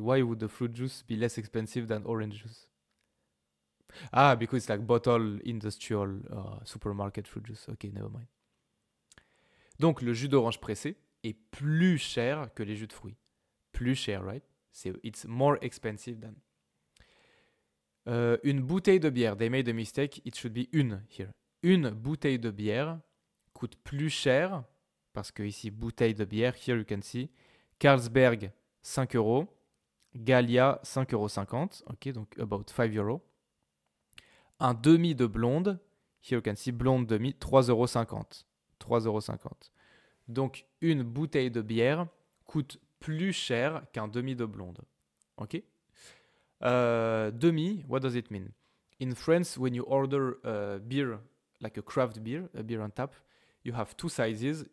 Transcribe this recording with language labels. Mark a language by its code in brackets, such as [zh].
[en] Why would the fruit juice be less expensive than orange juice? Ah, because it's like bottle industrial supermarket fruit juice. Ok, never mind. [fr] Donc, le jus d'orange pressé est plus cher que les jus de fruits. Plus cher, [en] right? So it's more expensive than. [fr] Une bouteille de bière. [en] They made a mistake. It should be une here. [fr] Une bouteille de bière coûte plus cher, parce que ici, bouteille de bière, [en] here you can see, [fr] Carlsberg, 5 euros. [en] Gallia, 5,50 €. Ok, [fr] donc [en] about 5 euros. [fr] Un demi de blonde, [en] here you can see, [fr] blonde demi, 3,50 €. 3,50 €. Donc, une bouteille de bière coûte plus cher qu'un demi de blonde. [en] Ok? Demi, what does it mean? In France, when you order a beer, like a craft beer, a beer on tap, you have two sizes.